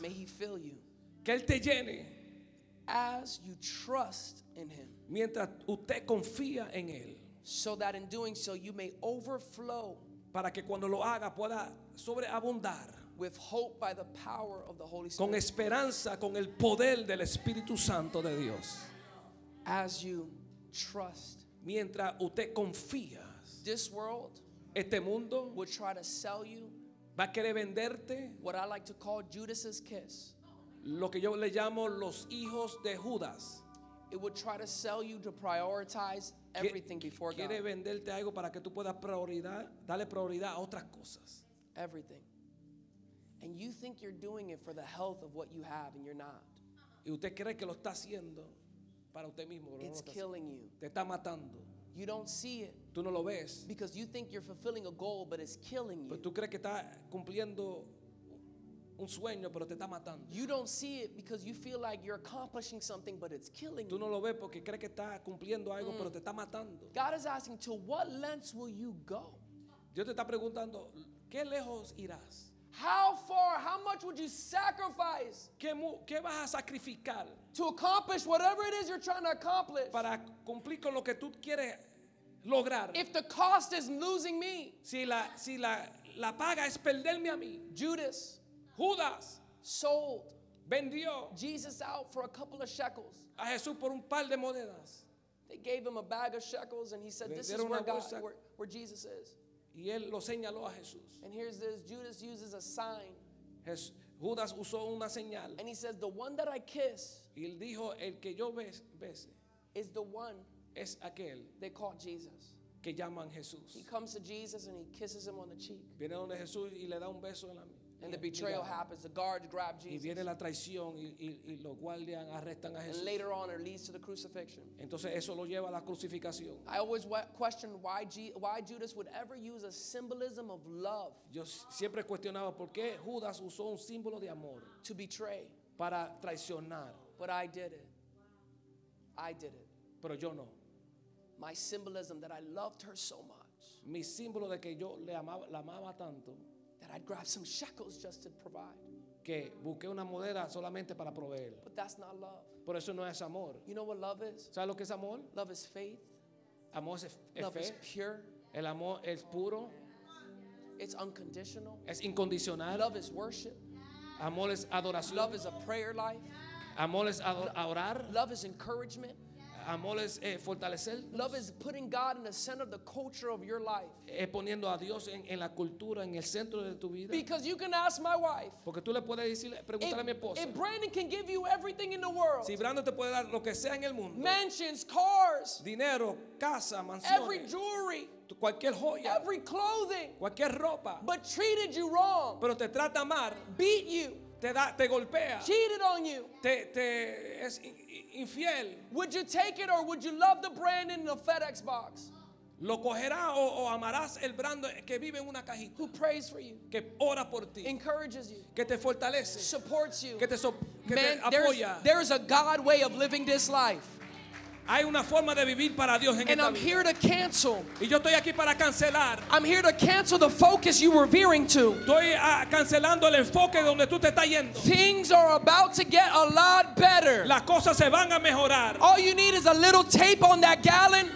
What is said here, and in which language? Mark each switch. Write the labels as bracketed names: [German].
[English] May he fill you. [Spanish] Que él te llene. [English] As you trust in him. [Spanish] Mientras usted confía en él. [English] So that in doing so you may overflow, [Spanish] para que cuando lo haga pueda sobreabundar, [English] with hope by the power of the Holy Spirit, [Spanish] con esperanza con el poder del Espíritu Santo de Dios. [English] As you trust, [Spanish] mientras usted confía, [English] this world, [Spanish] este mundo, [English] will try to sell you, [Spanish] va a querer venderte, [English] what I like to call Judas's kiss, [Spanish] lo que yo le llamo los hijos de Judas. [English] It would try to sell you to prioritize everything before God. [Spanish] Quiere venderte algo para que tú puedas prioridad, darle prioridad a otras cosas. [English] Everything. And you think you're doing it for the health of what you have, and you're not. [Spanish] Y usted cree que lo está haciendo para usted mismo. [English] It's killing you. [Spanish] Te está matando. [English] You don't see it. [Spanish] Tú no lo ves. [English] Because you think you're fulfilling a goal, but it's killing you. [Spanish] Pero tú crees que está cumpliendo un sueño, pero te está matando. [English] You don't see it because you feel like you're accomplishing something, but it's killing you. [Spanish] Tú no lo ves porque crees que está cumpliendo algo, pero te está matando. [English] God is asking, to what lengths will you go? [Spanish] Dios te está preguntando, ¿qué lejos irás? [English] How far, how much would you sacrifice? [Spanish] ¿Qué vas a sacrificar? [English] To accomplish whatever it is you're trying to accomplish. [Spanish] Para cumplir con lo que tú quieres lograr. [English] If the cost is losing me. [Spanish] Si la paga es perderme a mí. [English] Judas. [Spanish] Judas [English] sold, [Spanish] vendió [English] Jesus out for a couple of shekels. [Spanish] A Jesús por un par de monedas. [English] They gave him a bag of shekels, and he said, "This is where God, where Jesus is." [Spanish] Y él lo señaló a Jesús. [English] And here's this: Judas uses a sign. [Spanish] Judas usó una señal. [English] And he says, "The one that I kiss." [Spanish] Y él dijo, el que yo bese. [English] Is the one. [Spanish] Es aquel. [English] They call Jesus. [Spanish] Que llaman Jesús. [English] He comes to Jesus and he kisses him on the cheek. [Spanish] Viene donde Jesús y le da un beso en la mano. [English] And the betrayal happens. The guards grab Jesus. [Spanish] Y viene la traición y los guardias arrestan a Jesús. [English] And later on, it leads to the crucifixion. [Spanish] Entonces eso lo lleva a la crucificación. [English] I always questioned why Judas would ever use a symbolism of love. [Spanish] Yo siempre cuestionaba por qué Judas usó un símbolo de amor. [English] To betray. [Spanish] Para traicionar. [English] But I did it. I did it. [Spanish] Pero yo no. [English] My symbolism that I loved her so much. [Spanish] Mi símbolo de que yo la amaba tanto. [English] That I'd grab some shekels just to provide. [Spanish] Que busqué una moneda solamente para proveer. [English] But that's not love. [Spanish] Por eso no es amor. [English] You know what love is? [Spanish] ¿Sabes lo que es amor? [English] Love is faith. [Spanish] Amor es fe. [English] Love is pure. [Spanish] El amor es puro. [English] It's unconditional. [Spanish] Es incondicional. [English] Love is worship. [Spanish] Amor es adoración. [English] Love is a prayer life. [Spanish] Amor es orar. [English] Love is encouragement. [Spanish] Amor es fortalecer. [English] Love is putting God in the center of the culture of your life. [Spanish] Es poniendo a Dios en la cultura, en el centro de tu vida. [English] Because you can ask my wife. [Spanish] Porque tú le puedes decir, preguntar a mi esposa. [English] If Brandon can give you everything in the world. [Spanish] Si Brandon te puede dar lo que sea en el mundo. [English] Mansions, cars. [Spanish] Dinero, casa, mansiones. [English] Every jewelry. [Spanish] Cualquier joya. [English] Every clothing. [Spanish] Cualquier ropa. [English] But treated you wrong. [Spanish] Pero te trata mal. [English] Beat you. [Spanish] Te golpea. [English] Cheated on you. [Spanish] Te es infiel. [English] Would you take it or would you love the brand in the FedEx box? [Spanish] Lo cogerá o amarás el brand que vive en una cajita. [English] Who prays for you? [Spanish] Que ora por ti. [English] Encourages you. [Spanish] Que te fortalece. [English] Supports you. [Spanish] Que te apoya. [English] There is a God way of living this life. [Spanish] Hay una forma de vivir para Dios en [English] and I'm [Spanish] vida. [English] Here to cancel. [Spanish] Y yo estoy aquí para cancelar. [English] I'm here to cancel the focus you were veering to. [Spanish] Estoy cancelando el enfoque donde tú te estás yendo. [English] Things are about to get a lot better. [Spanish] Las cosas se van a mejorar. [English] All you need is a little tape on that gallon.